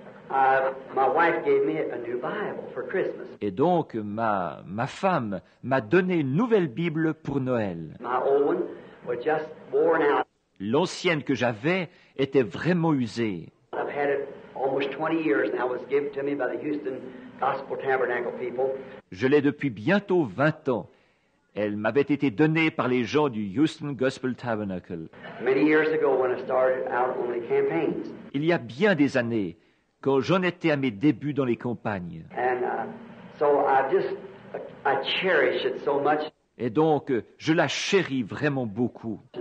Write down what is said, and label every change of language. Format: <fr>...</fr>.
<en>My wife gave me a new Bible for Christmas.</en> <fr>Et donc, ma femme m'a donné une nouvelle Bible pour Noël.</fr> <en>My old one was just worn out.</en> <fr>L'ancienne que j'avais était vraiment usée.</fr> <en>I've had it almost 20 years now. It was given to me by the Houston Gospel Tabernacle people.</en> <fr>Je l'ai depuis bientôt 20 ans. Elle m'avait été donnée par les gens du Houston Gospel Tabernacle.</fr> <en>Many years ago when I started out on the campaigns.</en> <fr>Il y a bien des années, quand j'en étais à mes débuts dans les campagnes.</fr> <en>And, so I cherish it so much.</en> <fr>Et donc, je la chéris vraiment beaucoup.</fr>